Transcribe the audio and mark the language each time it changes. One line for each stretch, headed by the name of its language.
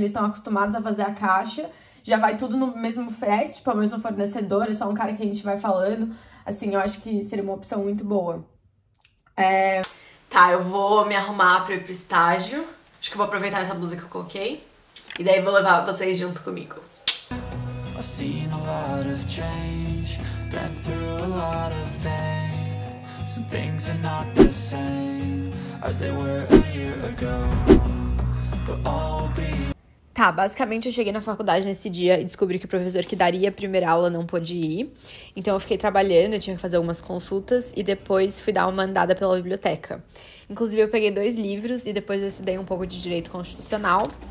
Portuguese: Eles estão acostumados a fazer a caixa. Já vai tudo no mesmo frete, tipo, o mesmo fornecedor. É só um cara que a gente vai falando. Assim, eu acho que seria uma opção muito boa. Tá, eu vou me arrumar pra ir pro estágio. Acho que eu vou aproveitar essa blusa que eu coloquei. E daí vou levar vocês junto comigo.
English: I've seen a lot of change, been through a lot of pain. Some things are not the same as they were a year ago. But I'll be...
Portuguese: Tá, basicamente eu cheguei na faculdade nesse dia e descobri que o professor que daria a primeira aula não pôde ir. Então eu fiquei trabalhando, eu tinha que fazer algumas consultas e depois fui dar uma andada pela biblioteca. Inclusive eu peguei 2 livros e depois eu estudei um pouco de direito constitucional.